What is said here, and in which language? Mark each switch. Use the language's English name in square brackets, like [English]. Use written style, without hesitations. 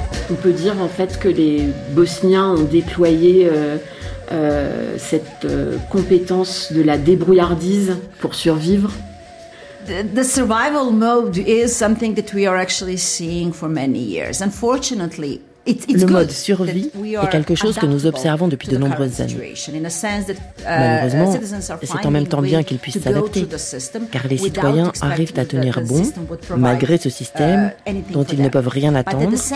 [French] On peut dire en fait que les Bosniens ont déployé cette compétence de la débrouillardise pour survivre. [English] The survival mode is something that we are actually seeing for many years. Unfortunately, [French] le mode survie est quelque chose que nous observons depuis de nombreuses années. Malheureusement, c'est en même temps bien qu'ils puissent s'adapter, car les citoyens arrivent à tenir bon malgré ce système dont ils ne peuvent rien attendre.